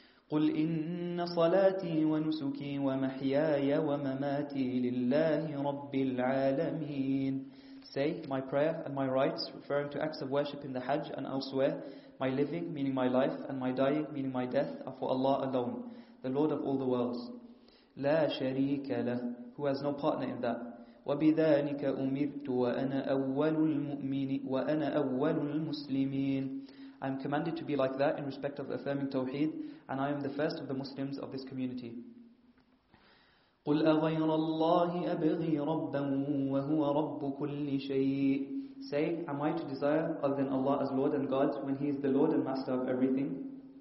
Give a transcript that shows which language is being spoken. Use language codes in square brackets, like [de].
[ar] قُلْ إِنَّ صَلَاتِي وَنُسُكِي وَمَحْيَايَ وَمَمَاتِي لِلَّهِ رَبِّ الْعَالَمِينَ. [en] Say, my prayer and my rites, referring to acts of worship in the Hajj and elsewhere, my living, meaning my life, and my dying, meaning my death, are for Allah alone, the Lord of all the worlds. [ar] لا شريك له, [en] who has no partner in that. [ar] وبذلك أمرت وأنا أول المؤمنين وأنا أول المسلمين. [en] I am commanded to be like that in respect of affirming Tawheed, and I am the first of the Muslims of this community. [ar] قُلْ أَغَيْرَ اللَّهِ أَبْغِي رَبًّا وَهُوَ رَبُّ كُلِّ شَيْءٍ. [en] Say, am I to desire other than Allah as Lord and God, when He is the Lord and Master of everything?